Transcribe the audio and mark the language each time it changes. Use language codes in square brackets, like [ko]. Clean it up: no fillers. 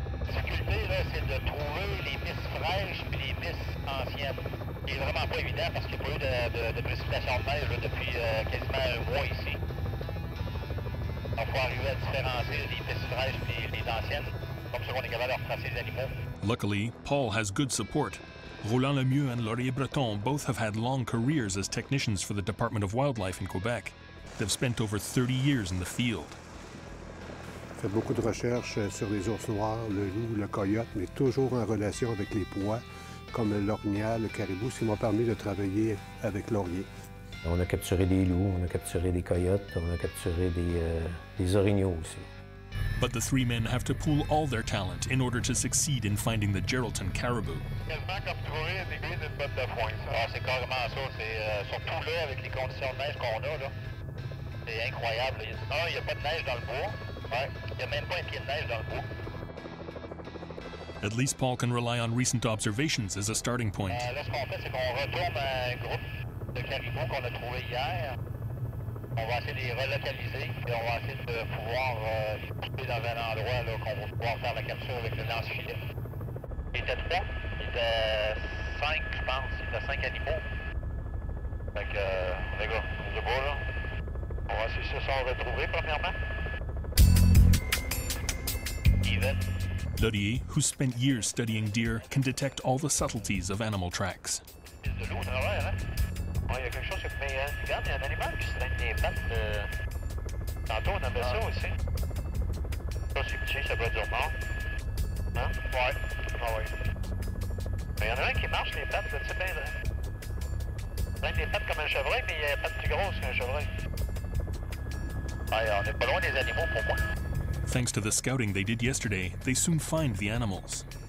[fr] La difficulté, là, c'est de trouver les pistes fraîches et les pistes anciennes. C'est vraiment pas évident parce qu'il n'y a pas eu de précipitation de neige là, depuis quasiment un mois ici. Donc, il faut arriver à différencier les pistes fraîches et les anciennes, comme ça qu'on est capable de retracer les animaux. [en] Luckily, Paul has good support. Roland Lemieux and Laurier Breton both have had long careers as technicians for the Department of Wildlife in Quebec. They've spent over 30 years in the field. I've done a lot of research on the [fr] ours noirs, [en] the [fr] loup, [en] the coyote, but always in relation with the pois, like the lornia, the caribou, which have [fr] permis [en] me to work with Laurier. We've captured [fr] des loups, we've captured des coyotes, we've captured des orignaux aussi. [en] But the three men have to pool all their talent in order to succeed in finding the Geraldton caribou. Quasiment comme trouver une aiguille d'une botte de foin. Ah, c'est carrément ça. C'est surtout là, avec les conditions de neige qu'on a, là. C'est incroyable. Ah, il n'y a pas de neige dans le bois. Ouais. Il n'y a même pas un pied de neige dans le bois. At least Paul can rely on recent observations as a starting point. [fr] Là, ce qu'on fait, c'est qu'on retourne à un groupe de caribou qu'on a trouvé hier. On va essayer de les relocaliser et on va essayer de pouvoir les couper dans un endroit là, qu'on va pouvoir faire la capture avec le lance-filet. Il était trois, il était cinq, je pense, il était cinq animaux. Fait que, les gars, on se bat là. On va essayer de se faire retrouver premièrement. Even. [en] Laurier, who spent years studying deer, can detect all the subtleties of animal tracks. [fr] C'est de l'eau au travers, hein? Ouais, il y a quelque chose qui fait... Regarde, il y a un animal qui se traîne les pattes. Tantôt, on avait ça aussi. Ça, c'est petit, ça doit être mort. Hein? Ouais. Ah ouais. Mais il y en a un qui marche les pattes, là, tu sais bien, là. Il traîne les pattes comme un chevreuil, mais il y a des pattes plus grosses qu'un chevreuil. Ouais, on n'est pas loin des animaux pour moi. [en] Thanks to the scouting they did yesterday, they soon find the animals.